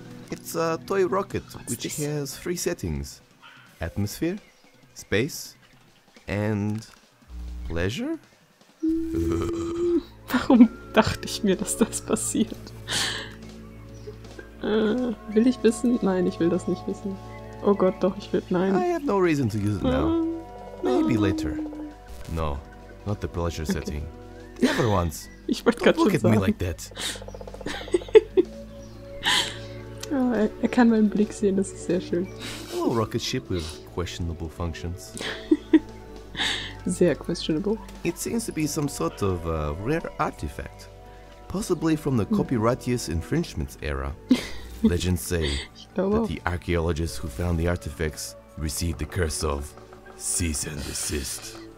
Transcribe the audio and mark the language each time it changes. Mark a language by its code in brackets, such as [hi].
[en] It's a toy rocket which has three settings: Atmosphere, Space, and Leisure? [de] Warum dachte ich mir, dass das passiert? Will ich wissen? Nein, ich will das nicht wissen. Oh Gott, doch, ich will. Nein. [en] I have no reason to use it now. Maybe later. No, not the pleasure setting. Okay. The other ones. [de] Ich wollte gerade schon [en] look at [de] sagen. [en] Me like that. [de] Er kann meinen Blick sehen, das ist sehr schön. [en] Hello, rocket ship with questionable functions. [de] Sehr questionable. [en] It seems to be some sort of rare artifact. Possibly from the copyrightious infringements era. Legends say that the archaeologists who found the artifacts received the curse of cease and desist.